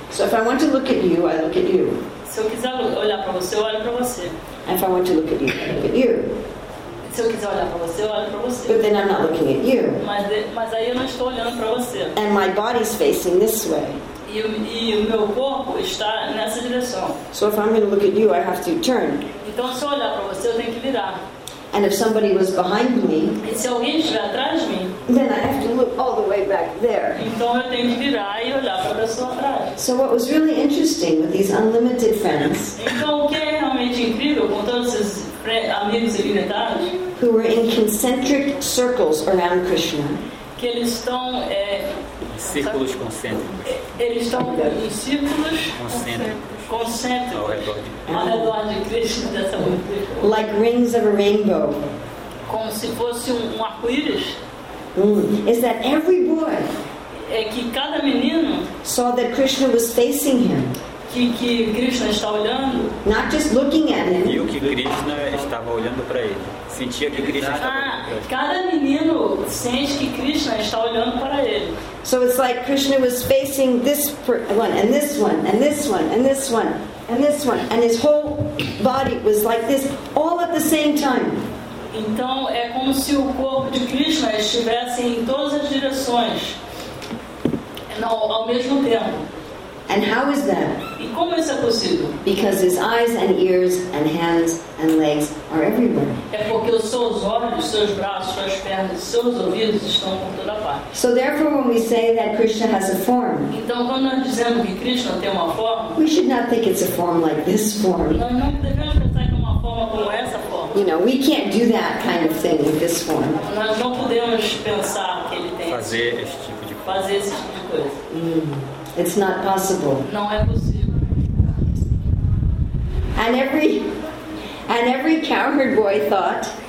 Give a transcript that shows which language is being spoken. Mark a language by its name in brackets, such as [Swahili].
[English] So if I want to look at you, I look at you. [Portuguese] Se eu quiser olhar para você, eu olho para você. [English] And if I want to look at you, I look at you. [Portuguese] Se eu quiser olhar para você, eu olho para você. [English] But then I'm not looking at you. [Portuguese] Mas aí eu não estou olhando para você. [English] And my body's facing this way. [Portuguese] E o meu corpo está nessa direção. [English] So if I'm going to look at you, I have to turn. [Portuguese] Então se eu olhar para você, eu tenho que virar. [English] And if somebody was behind me, [Portuguese] e se alguém estiver atrás de mim, [English] then I have to look all the way back there. [Portuguese] Então eu tenho que virar e olhar para a pessoa atrás. [English] So what was really interesting with these unlimited friends, [Portuguese] então o que é realmente incrível com todos esses amigos ilimitados, [English] who were in concentric circles around Krishna, [Portuguese] que eles estão círculos concêntricos. Eles estão em círculos concêntricos. Ao redor de Cristo. [English] Like rings of a rainbow. [Portuguese] Como se fosse um arco-íris. [English] Is that every boy? [Portuguese] É que cada menino [English] saw that Krishna was facing him. [Portuguese] Que Krishna está olhando. [English] Not just looking at him. [Portuguese] Viu que Krishna estava olhando para ele. Sentia que Krishna estava olhando para ele. Cada menino sente que Krishna está olhando para ele. [English] So it's like Krishna was facing this one and this one and this one and this one and this one and his whole body was like this all at the same time. [Portuguese] Então é como se o corpo de Krishna estivesse em todas as direções. Ao mesmo tempo. [English] And how is that? [Portuguese] E como isso é possível? [English] Because his eyes and ears and hands and legs are everywhere. [Portuguese] É porque os seus olhos, seus braços, suas pernas, seus ouvidos estão por toda parte. [English] So therefore, when we say that Krishna has a form, [Portuguese] então quando nós dizemos que Krishna tem uma forma, [English] we should not think it's a form like this form. [Portuguese] Nós não devemos pensar que é uma forma como essa forma. [English] You know, we can't do that kind of thing with this form. [Portuguese] Nós não podemos pensar que ele tem. Fazer esse tipo de coisa. [English] It's not possible. [Portuguese] Não é possível. [English] And every cowherd boy thought.